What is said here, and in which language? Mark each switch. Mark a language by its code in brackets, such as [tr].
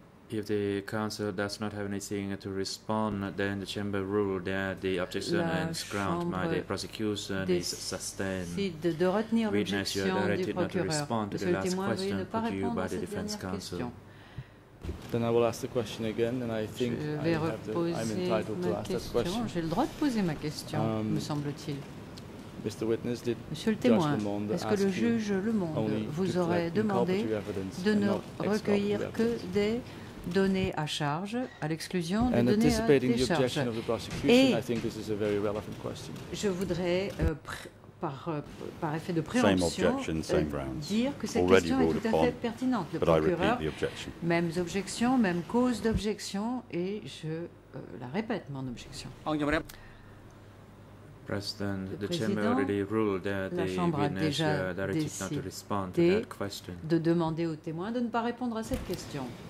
[en] If the counsel does not have anything to respond, then the chamber rules that the objection [fr] la [en] is grounded by the prosecution is sustained. [fr] Décide de retenir [en] witness, you are directed not to respond to the last question put to you by the defense counsel. Then I will ask the question again, and I think I'm entitled to ask that question. [fr] J'ai le droit de poser ma question, me semble-t-il. [en] Mr. Witness, did [fr] Monsieur le témoin, est-ce que le juge Le Monde vous aurait demandé de ne recueillir que des données à charge à l'exclusion des données à décharge? [en] Et I think this is a very relevant question. [fr] Je voudrais, par effet de préemption, dire que cette question est tout à fait pertinente. Le procureur, mêmes objections, même cause d'objection, et je la répète, mon objection. [en] President, the chamber already ruled that the witness directed not to respond to that question. [fr] De demander au témoin de ne pas répondre à cette question.